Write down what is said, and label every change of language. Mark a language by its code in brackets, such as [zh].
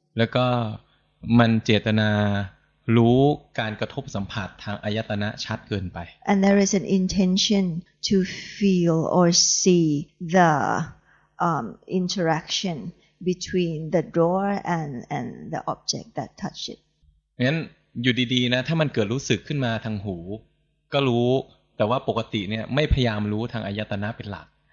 [th] แล้วก็มันเจตนารู้การกระทบสัมผัสทางอายตนะชัดเกินไป [en] And there is an intention to feel or see theinteraction between the door and the object that touch it. [th] งั้นอยู่ดีๆนะถ้ามันเกิดรู้สึกขึ้นมาทางหูก็รู้แต่ว่าปกติเนี่ยไม่พยายามรู้ทางอายตนะเป็นหลัก